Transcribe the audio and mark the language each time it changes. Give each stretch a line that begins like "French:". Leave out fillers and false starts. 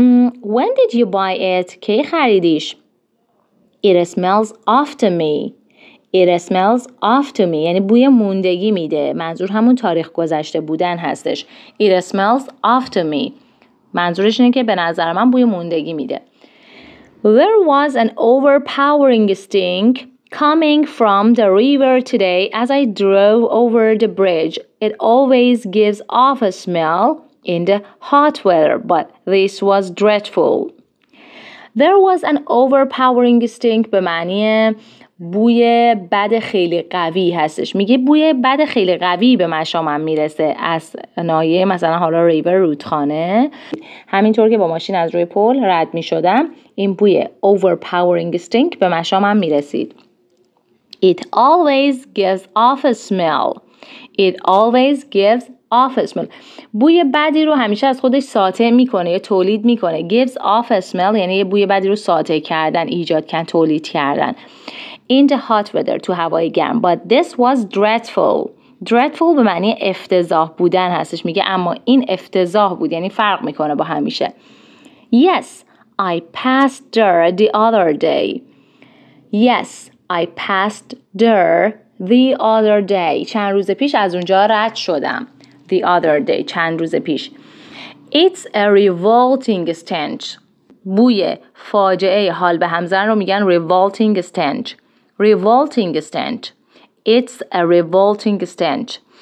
English: When did you buy it?
Persian: کی خریدیش؟
English: It smells off to me. It smells off to me.
Persian: یعنی بوی موندگی میده. منظور همون تاریخ گذشته بودن هستش.
English: It smells off to me.
Persian: منظورش اینه که به نظر من بوی موندگی میده.
English: There was an overpowering stink coming from the river today as I drove over the bridge. It always gives off a smell in the hot weather, but this was dreadful. There was an overpowering stink
Persian: به معنی بوی بد خیلی قوی هستش. میگه بوی بد خیلی قوی به مشامم میرسه از ناحیه مثلا حالا ریور رودخانه. همینطور که با ماشین از روی پل رد میشدم این بوی overpowering stink به مشامم میرسید.
English: It always gives off a smell. It always gives off a smell.
Persian: بوی بدی رو همیشه از خودش ساطع میکنه یا تولید میکنه.
English: Gives off a smell
Persian: یعنی یه بوی بدی رو ساطع کردن، ایجاد کردن، تولید کردن.
English: In the hot weather,
Persian: تو هوای گرم.
English: But this was dreadful.
Persian: Dreadful به معنی افتضاح بودن هستش. میگه اما این افتضاح بود. یعنی فرق میکنه با همیشه.
English: Yes, I passed there the other day. Yes, I passed there The other day.
Persian: چند روز پیش از اونجا رد شدم.
English: The other day.
Persian: چند روز پیش.
English: It's a revolting stench.
Persian: بوی فاجعه حال به همزن رو میگن revolting stench.
English: Revolting stench. It's a revolting stench.